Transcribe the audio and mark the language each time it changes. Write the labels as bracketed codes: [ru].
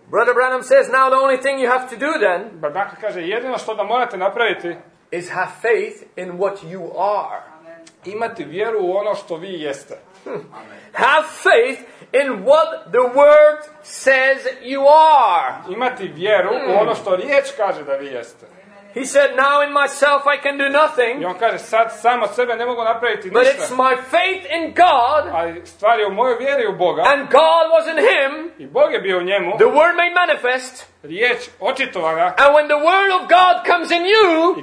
[en] Brother Branham says, now the only thing you have to do then. [hr] Brother Branham kaže, jedino što da morate napraviti. [en] Is have faith in what you are. [hr] Imati vjeru u ono što vi jeste. [en] Have faith in what the word says you are. [hr] Imati vjeru u ono što riječ kaže da vi jeste. [en] He said, now in myself I can do nothing. [hr] I on kaže, sad sam od sebe ne mogu napraviti ništa. [en] But it's my faith in God. [hr] Ali stvar je u mojoj vjeri u Boga. [en] And God was in him. [hr] I Bog je bio u njemu. [en] The word made manifest. [hr] Riječ očitovana. [en] And when the word of God comes in you.